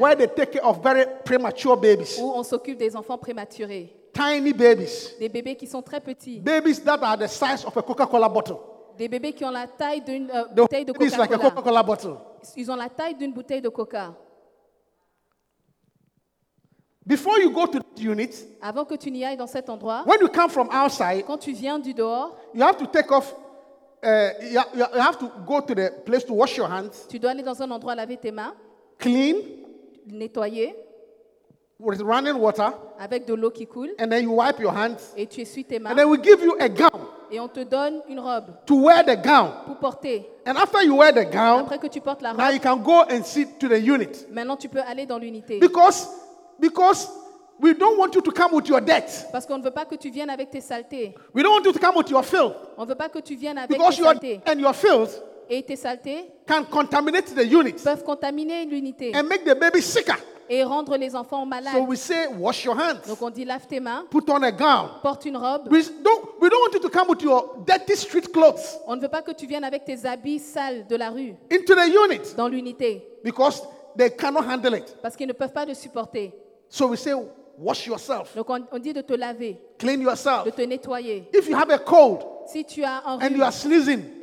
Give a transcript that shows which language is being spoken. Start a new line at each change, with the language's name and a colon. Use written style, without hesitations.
English: Where they take care of very premature babies.
French: Où on s'occupe des enfants prématurés.
English: Tiny babies.
French: Des bébés qui sont très petits.
English: Babies that are the size of a Coca-Cola bottle.
French: Des bébés qui ont la taille d'une bouteille de Coca-Cola.
English: Like a Coca-Cola bottle.
French: Ils ont la taille d'une bouteille de Coca.
English: Before you go to the unit,
French: avant que tu n'y ailles dans cet endroit,
English: when you come from outside,
French: quand tu viens du dehors,
English: you have to take off. You have to go to the place to wash your hands.
French: Tu dois aller dans un endroit laver tes mains.
English: Clean.
French: Nettoyer.
English: With running water.
French: Avec de l'eau qui coule.
English: And then you wipe your hands.
French: Et tu essuies tes mains.
English: And then we give you a gown.
French: Et on te donne une robe.
English: To wear the gown.
French: Pour porter.
English: And after you wear the gown,
French: après que tu portes la robe,
English: now you can go and sit to the unit.
French: Maintenant tu peux aller dans l'unité.
English: Because we don't want you to come with your debt.
French: Parce qu'on ne veut pas que tu viennes avec tes saletés.
English: We don't want you to come with your filth.
French: On veut pas que tu viennes avec
English: because
French: tes saletés.
English: Because your filth
French: et tes saletés
English: can contaminate the unit.
French: Peuvent contaminer l'unité.
English: And make the baby sicker.
French: Et rendre les enfants malades.
English: So we say wash your hands.
French: Donc on dit lave tes mains.
English: Put on a gown.
French: Porte une robe.
English: We don't want you to come with your dirty street clothes.
French: On ne veut pas que tu viennes avec tes habits sales de la rue.
English: Into the unit.
French: Dans l'unité.
English: Because they cannot handle it.
French: Parce qu'ils ne peuvent pas le supporter.
English: So we say wash yourself.
French: Donc on dit de te laver.
English: Clean yourself.
French: De te nettoyer.
English: If you have a cold.
French: Si tu as un rhume.
English: And you are sneezing.